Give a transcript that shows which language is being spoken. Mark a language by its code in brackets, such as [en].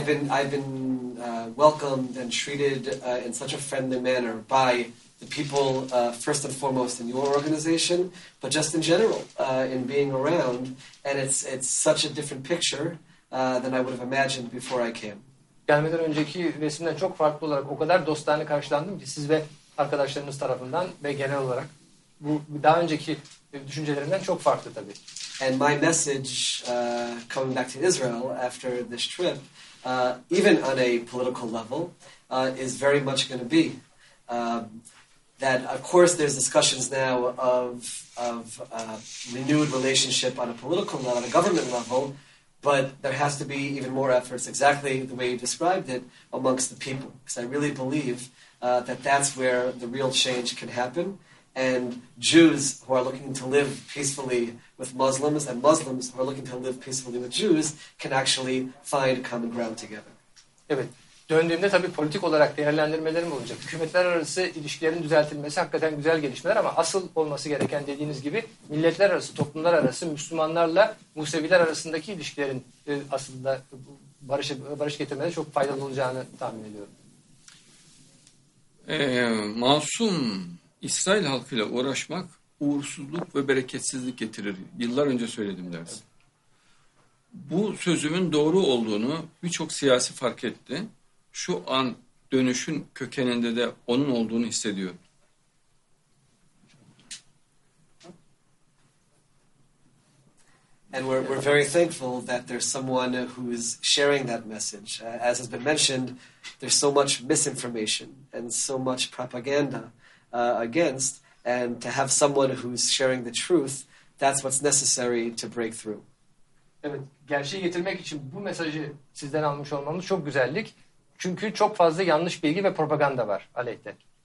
[en] I've been welcomed and treated in such a friendly manner by the people first and foremost in your organization, but just in general in being around, and it's such a different picture than I would have imagined before I came. [tr] Gelmeden önceki resimden çok farklı olarak o kadar dostane karşılandım ki siz ve arkadaşlarınız tarafından ve genel olarak bu daha önceki düşüncelerimden çok farklı tabii. [en] And my message coming back to Israel after this trip, even on a political level, is very much going to be that. Of course, there's discussions now of renewed relationship on a political level, on a government level. But there has to be even more efforts, exactly the way you described it, amongst the people. Because I really believe that that's where the real change can happen. And Jews who are looking to live peacefully with Muslims and Muslims who are looking to live peacefully with Jews can actually find common ground together. [tr] Evet, döndüğümde tabii politik olarak değerlendirmelerim olacak. Hükümetler arası ilişkilerin düzeltilmesi hakikaten güzel gelişmeler ama asıl olması gereken dediğiniz gibi milletler arası, toplumlar arası, Müslümanlarla Museviler arasındaki ilişkilerin aslında barış getirmede çok faydalı olacağını tahmin ediyorum. Masum İsrail halkıyla uğraşmak uğursuzluk ve bereketsizlik getirir. Yıllar önce söyledim dersin. Bu sözümün doğru olduğunu birçok siyasi fark etti. Şu an dönüşün kökeninde de onun olduğunu hissediyor. [en] And we're very thankful that there's someone who is sharing that message. As has been mentioned, there's so much misinformation and so much propaganda against, and to have someone who's sharing the truth, that's what's necessary to break through. [tr] Evet, gerçeği getirmek için bu mesajı sizden almış olmamız çok güzellik. Çünkü çok fazla yanlış bilgi ve propaganda var aleyhte.